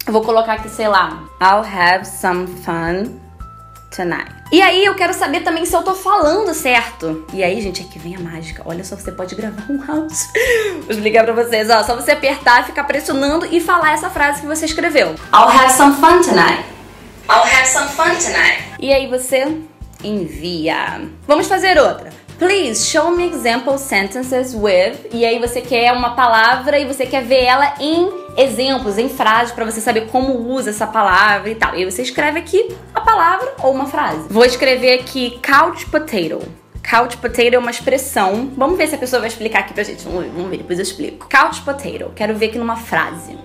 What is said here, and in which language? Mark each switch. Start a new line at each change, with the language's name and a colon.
Portuguese: Eu vou colocar aqui, sei lá,
English: I'll have some fun tonight.
Portuguese: E aí eu quero saber também se eu tô falando certo. E aí, gente, aqui vem a mágica. Olha só, você pode gravar um áudio. Vou explicar pra vocês, ó. Só você apertar, ficar pressionando e falar essa frase que você escreveu.
English: I'll have some fun tonight. I'll have some fun tonight.
Portuguese: E aí você envia. Vamos fazer outra.
English: Please show me example sentences with.
Portuguese: E aí você quer uma palavra e você quer ver ela em exemplos, em frases, pra você saber como usa essa palavra e tal. E aí você escreve aqui a palavra ou uma frase. Vou escrever aqui couch potato. Couch potato é uma expressão. Vamos ver se a pessoa vai explicar aqui pra gente. Vamos ver, depois eu explico. Couch potato. Quero ver aqui numa frase.